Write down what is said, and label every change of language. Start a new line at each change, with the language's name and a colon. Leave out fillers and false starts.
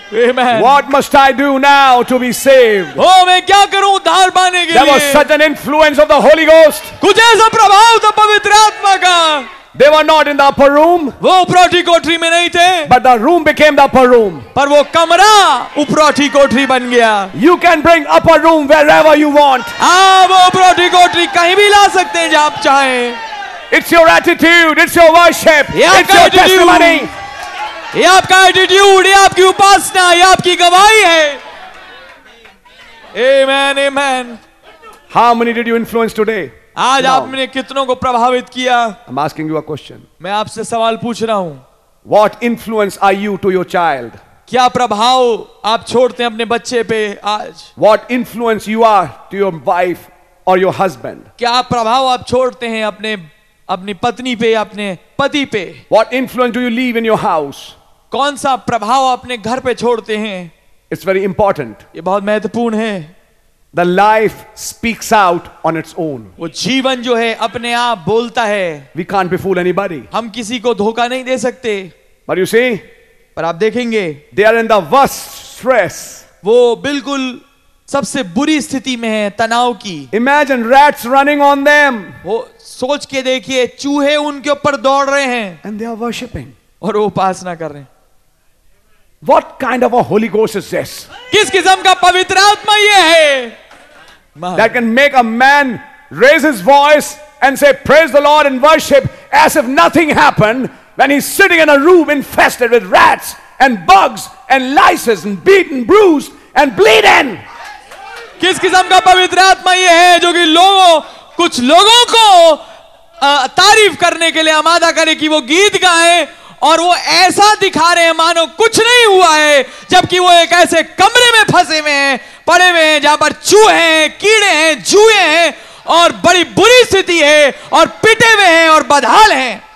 English: Amen. What must I do now to be saved?
Hindi: Oh, मैं क्या करूं उद्धार पाने के लिए?
English: There was such an influence of the Holy Ghost.
Hindi: कुछ ऐसा प्रभाव था पवित्र आत्मा का।
English: They were not in the upper room.
Hindi: वो उपरोठी कोठरी में नहीं थे।
English: But the room became the upper room.
Hindi: पर वो कमरा उपरोठी कोठरी बन गया।
English: You can bring upper room wherever you want.
Hindi: हाँ, वो उपरोठी कोठरी कहीं भी ला सकते हैं जहाँ आप चाहें।
English: It's your attitude. It's your worship. It's your testimony.
Hindi: ये आपका attitude, ये आपकी उपासना, ये आपकी गवाही है।
English: Amen, amen. How many did you influence today?
Hindi: आज आपने कितनों को प्रभावित किया
English: I'm asking you a question.
Hindi: मैं आपसे सवाल पूछ रहा हूं
English: What influence are you to your child?
Hindi: क्या प्रभाव आप छोड़ते हैं अपने बच्चे पे आज
English: What influence you are to your wife or your husband?
Hindi: क्या प्रभाव आप छोड़ते हैं अपने अपनी पत्नी पे या अपने पति पे
English: What influence do you leave in your house?
Hindi: कौन सा प्रभाव अपने घर पे छोड़ते हैं
English: It's very important.
Hindi: ये बहुत महत्वपूर्ण है.
English: The life speaks out on its own.
Hindi: वो जीवन जो है अपने आप बोलता है.
English: We can't befool anybody.
Hindi: हम किसी को धोखा नहीं दे सकते.
English: But you see,
Hindi: पर आप देखेंगे.
English: They are in the worst stress.
Hindi: वो बिल्कुल सबसे बुरी स्थिति में है तनाव की.
English: Imagine rats running on them.
Hindi: वो सोच के देखिए चूहे उनके ऊपर दौड़ रहे हैं.
English: And they are worshiping.
Hindi: और वो उपासना कर रहे हैं.
English: What kind of a Holy Ghost is this?
Hindi: किस किस्म का पवित्र आत्मा ये है?
English: That can make a man raise his voice and say praise the Lord and worship as if nothing happened when he's sitting in a room infested with rats and bugs and lice and beaten, bruised and bleeding.
Hindi: किस किस्म का पवित्र आत्मा ये है जो कि लोगों कुछ लोगों को तारीफ करने के लिए आमादा करे कि वो गीत गाएं और वो ऐसा दिखा रहे हैं मानो कुछ नहीं हुआ है जबकि वो एक ऐसे कमरे में फंसे हुए हैं पड़े हुए हैं जहां पर चूहे हैं कीड़े हैं जुए हैं और बड़ी बुरी स्थिति है और पिटे हुए हैं और बदहाल हैं.